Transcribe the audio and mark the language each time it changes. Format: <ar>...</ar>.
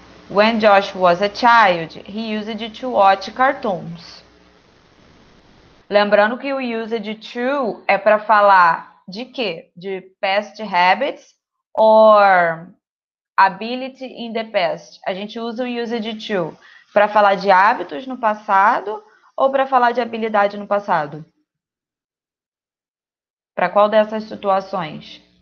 <en>When Josh was a child, he used to watch cartoons.</en> <pt>Lembrando que o used to é para falar de quê?</pt> <en>De past habits or ability in the past.</en> <pt>A gente usa o used to para falar de hábitos no passado ou para falar de habilidade no passado? Para qual dessas situações?</pt>